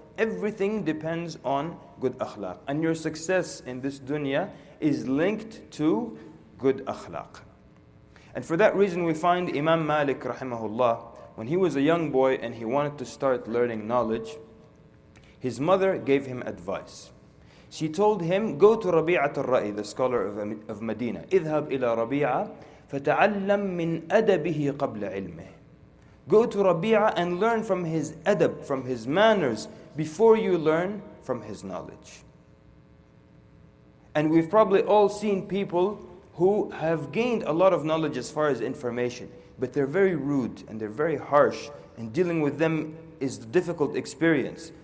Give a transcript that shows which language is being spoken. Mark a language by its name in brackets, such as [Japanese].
[English] Everything depends on good akhlaq. And your success in this dunya is linked to good akhlaq. And for that reason, we find Imam Malik, rahimahullah, when he was a young boy and he wanted to start learning knowledge, his mother gave him advice. She told him, go to Rabi'at al-Ra'i, the scholar of Medina. [Arabic] اذهب إلى Rabi'a, فتعلم من أدبه قبل علمه. [English] Go to Rabi'a and learn from his adab, from his manners, before you learn from his knowledge. And we've probably all seen people who have gained a lot of knowledge as far as information, but they're very rude and they're very harsh, and dealing with them is a difficult experience.